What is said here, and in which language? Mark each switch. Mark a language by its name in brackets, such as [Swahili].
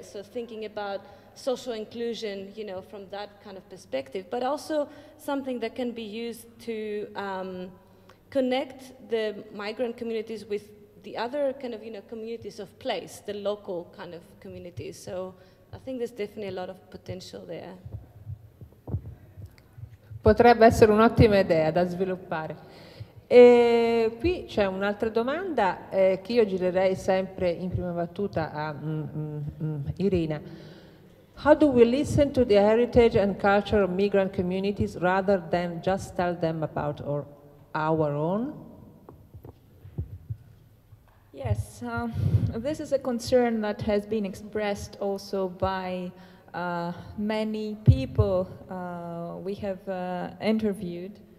[English] So thinking about social inclusion, you know, from that kind of perspective, but also something that can be used to connect the migrant communities with the other kind of, you know, communities of place, the local kind of communities. So I think there's definitely a lot of potential there. [Italian] Potrebbe essere un'ottima idea da sviluppare. E qui c'è un'altra domanda che io girerei sempre in prima battuta a Irina. [English] How do we listen to the heritage and culture of migrant communities rather than just tell them about our own? Yes, this is a concern that has been expressed also by many people we have interviewed.